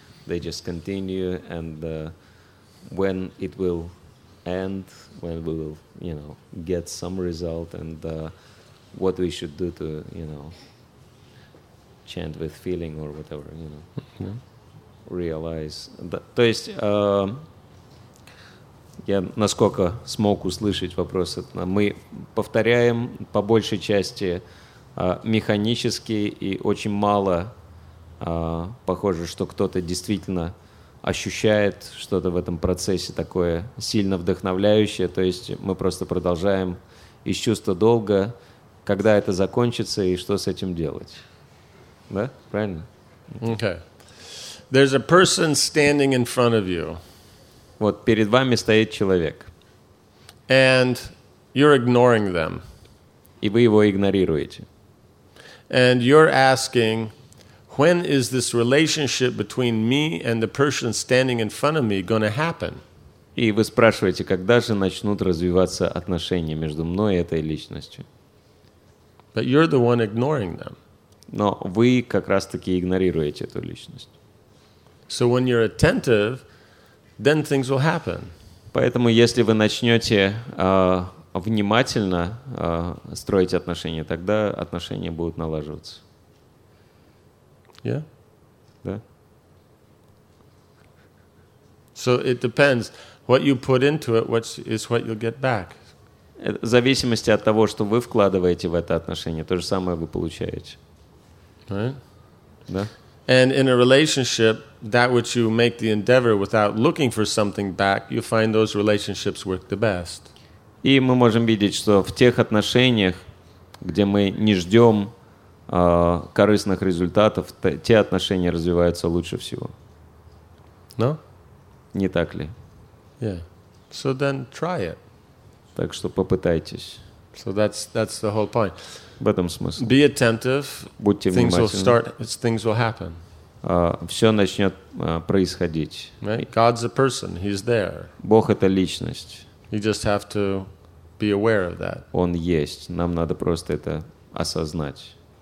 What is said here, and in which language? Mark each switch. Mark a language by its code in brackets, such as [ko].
[en] They just continue, and when it will end, when we will, you know, get some result, and what we should do to, you know, chant with feeling or whatever, you know. Yeah. Realize. [ru] То есть, я насколько смог услышать вопрос, мы повторяем по большей части механически, и очень мало похоже, что кто-то действительно ощущает что-то в этом процессе такое сильно вдохновляющее. То есть мы просто продолжаем из чувства долга, когда это закончится и что с этим делать. Да? Правильно? [en] Okay. There's a person standing in front of you. [ru] Вот перед вами стоит человек. [en] And you're ignoring them. [ru] И вы его игнорируете. [en] And you're asking, when is this relationship between me and the person standing in front of me going to happen? [ru] И вы спрашиваете, когда же начнут развиваться отношения между мной и этой личностью? [en] But you're the one ignoring them. [ru] Но вы как раз-таки игнорируете эту личность. [en] So when you're attentive, then things will happen. [ru] Поэтому если вы начнете внимательно строить отношения, тогда отношения будут налаживаться. [en] Yeah? [ru] Да. [en] So it depends. What you put into it, what is what you'll get back. [ru] В зависимости от того, что вы вкладываете в это отношение, то же самое вы получаете. [en] Right? [ru] Да. [en] And in a relationship, that which you make the endeavor without looking for something back, you find those relationships work the best. [ru] И мы можем видеть, что в тех отношениях, где мы не ждем корыстных результатов, те отношения развиваются лучше всего. [en] No? [ru] Не так ли? [en] Yeah. So then try it. [ru] Так что попытайтесь. [en] So that's the whole point. [ru] В этом смысле. [en] Be attentive. [ru] Будьте внимательны. [en] Things will start. Things will happen. [ru] Все начнет происходить. [en] Right? God's a person. He's there. [ru] Бог — это личность. [en] You just have to be aware of that. [ru] Он есть. Нам надо просто это осознать.